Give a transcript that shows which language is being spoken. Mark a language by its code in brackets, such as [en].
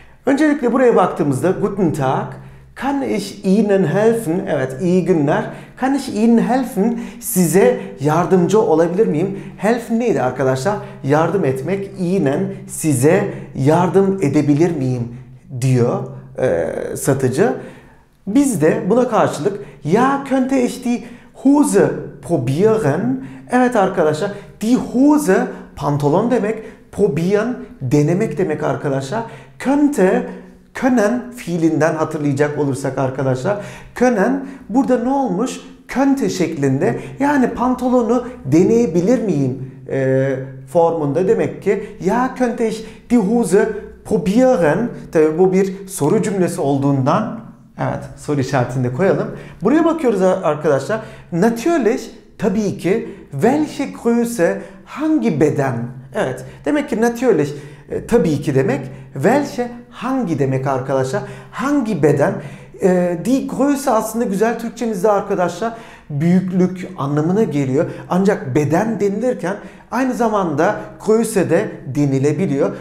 [tr] Öncelikle buraya baktığımızda [de] Guten Tag, kann ich Ihnen helfen? [tr] Evet, iyi günler. [de] Kann ich Ihnen helfen? [tr] Size yardımcı olabilir miyim? Helfen neydi arkadaşlar? Yardım etmek. Ihnen, size yardım edebilir miyim? Diyor satıcı. Biz de buna karşılık ya [de] könnte ich die Hose probieren? [tr] Evet arkadaşlar, die Hose pantolon demek, probieren denemek demek arkadaşlar. Könnte, können fiilinden hatırlayacak olursak arkadaşlar, können burada ne olmuş? Könnte şeklinde, yani pantolonu deneyebilir miyim formunda. Demek ki ya [de] könnte ich die Hose probieren, [tr] tabi bu bir soru cümlesi olduğundan, evet, soru işaretini de koyalım. Buraya bakıyoruz arkadaşlar. Natürlich, tabii ki. [de] Welche Größe, [tr] hangi beden? Evet, demek ki natürlich, tabii ki demek. Welche, hangi demek arkadaşlar? Hangi beden? Die Größe aslında güzel Türkçemizde arkadaşlar büyüklük anlamına geliyor. Ancak beden denilirken aynı zamanda Größe de denilebiliyor.